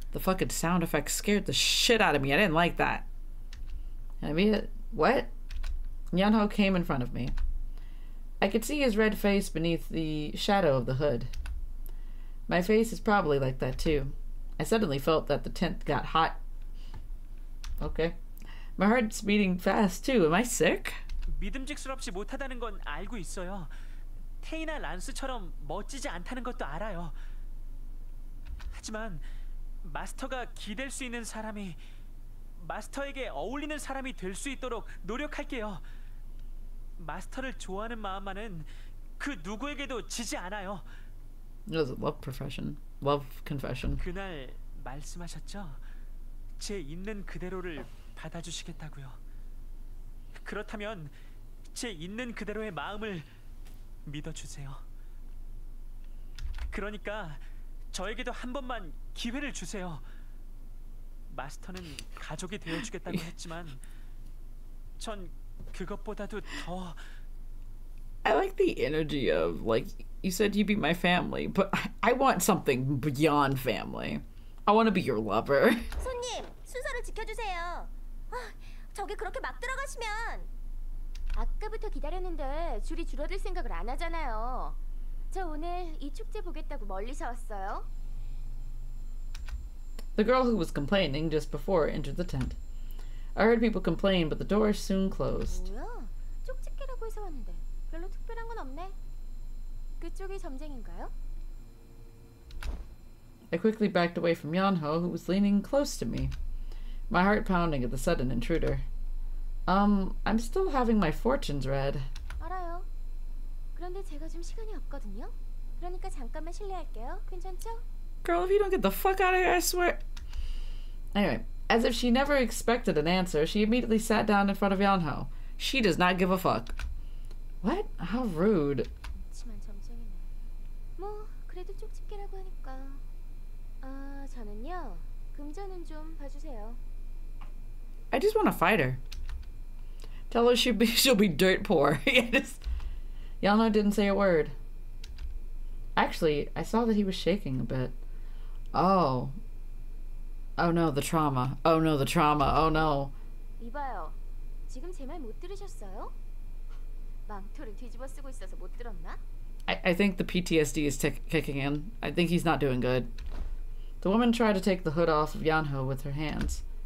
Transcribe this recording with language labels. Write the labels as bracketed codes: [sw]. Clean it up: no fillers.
[en] The fucking sound effect scared the shit out of me. I didn't like that. I mean, what? Yeonho came in front of me. I could see his red face beneath the shadow of the hood. My face is probably like that, too. I suddenly felt that the tent got hot. Okay. My heart's beating fast, too. Am I sick? [ko] 믿음직스럽지 못하다는 건 알고 있어요. 테이나 란스처럼 멋지지 않다는 것도 알아요. 하지만 마스터가 기댈 수 있는 사람이 마스터에게 어울리는 사람이 될 수 있도록 노력할게요. 마스터를 좋아하는 마음만은 그 누구에게도 지지 않아요. [en] It was a love profession. Love confession. [ko] 그날 말씀하셨죠? 제 있는 그대로를 받아주시겠다고요. 그렇다면 제 있는 그대로의 마음을 믿어주세요. 그러니까 저에게도 한 번만 기회를 주세요. 마스터는 가족이 되어주겠다고 했지만 전 그것보다도 더 [en] I like the energy of, like, you said you'd be my family, but I want something beyond family. I want to be your lover. [ko] 손님, 순서를 지켜주세요. 저기 그렇게 막 들어가시면 아까부터 기다렸는데 줄이 줄어들 생각을 안 하잖아요. 저 오늘 이 축제 보겠다고 멀리서 왔어요. [en] The girl who was complaining just before entered the tent. I heard people complain, but the door soon closed. [ko] 뭐야? 쪽집게라고 해서 왔는데 별로 특별한 건 없네. 그쪽이 점쟁인가요? [en] I quickly backed away from Yeonho, who was leaning close to me, my heart pounding at the sudden intruder. I'm still having my fortunes read. [ko] 알아요. 그런데 제가 좀 시간이 없거든요. 그러니까 잠깐만 실례할게요. 괜찮죠? [en] Girl, if you don't get the fuck out of here, I swear. Anyway, as if she never expected an answer, she immediately sat down in front of Yeonho. She does not give a fuck. What? How rude. [ko] 하지만 점쟁이네. 뭐, 그래도 쪽집게라고 하니까. 아, 저는요. 금전은 좀 봐주세요. [en] I just want to fight her. Tell her she'll be dirt poor. Yeonho didn't say a word. Actually, I saw that he was shaking a bit. Oh. Oh no, the trauma. Oh no, the trauma. Oh no. [ko] 이봐요. 지금 제 말 못 들으셨어요? 망토를 뒤집어 쓰고 있어서 못 들었나? [en] I think the PTSD is kicking in. I think he's not doing good. The woman tried to take the hood off of Yeonho with her hands.